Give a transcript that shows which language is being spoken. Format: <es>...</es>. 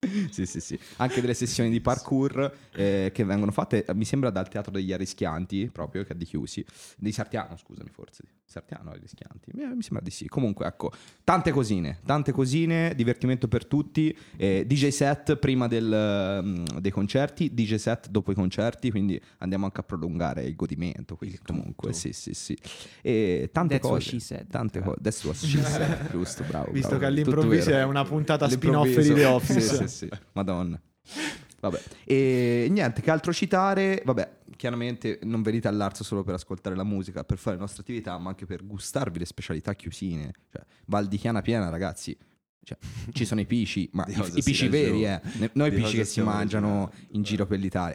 <it>sì anche delle sessioni di parkour che vengono fatte, mi sembra, dal teatro degli Arischianti, proprio, che ha di chiusi di Sartiano, scusami, forse Sartiano Arischianti, mi sembra di sì. Comunque, ecco, tante cosine, divertimento per tutti, DJ set prima dei concerti, DJ set dopo i concerti, quindi andiamo anche a prolungare il godimento, quindi comunque sì e tante</it> <en>That's</en> <it>cose</it> <en>what she said,</en> <it>tante cose</it> <en>that's what she said,</en> <it>giusto, bravo, visto bravo, che all'improvviso è una puntata spin-off di The Office. Sì, madonna. Vabbè. E niente, che altro citare? Vabbè, chiaramente non venite all'Arzo solo per ascoltare la musica, per fare le nostre attività, ma anche per gustarvi le specialità chiusine. Cioè, Val di Chiana piena, ragazzi. Cioè, ci sono i pici, ma i pici veri, Noi i pici che si mangiano in giro per l'Italia.</it>